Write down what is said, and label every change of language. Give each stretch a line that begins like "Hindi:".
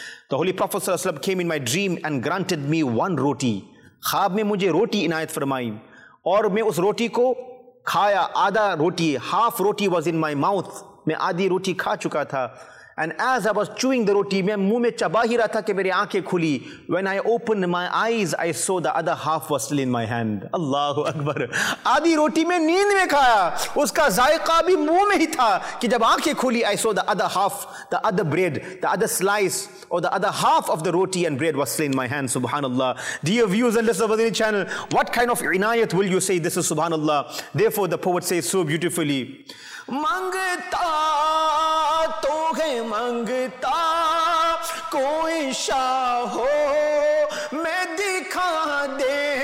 English: The Holy Prophet sallallahu alayhi wa sallam came in my dream and granted me one roti.
Urdu: خواب میں مجھے روٹی عنایت فرمائی اور میں اس روٹی کو کھایا. آدھا روٹی,
English: half roti was in my mouth.
Urdu: میں آدھی روٹی کھا چکا تھا.
English: And as I was chewing the roti,
Urdu: میں منہ میں چبا ہی رہا تھا کہ میری آنکھیں کھلی.
English: When I opened my eyes, I saw the other half was still in my hand.
Urdu: اللہ اکبر. آدھی روٹی میں نیند میں کھایا, اس کا ذائقہ بھی منہ میں ہی تھا کہ جب آنکھیں کھلی,
English: I saw the other half, the other bread, the other slice, or the other half of the roti and bread was still in my hand. Subhanallah. Dear viewers and listeners of the channel, what kind of inayat will you say? This is subhanallah. Therefore the poet says so beautifully,
Urdu: مانگتا تو ہے مانگتا کوئی شاہ ہو میں دکھا دے,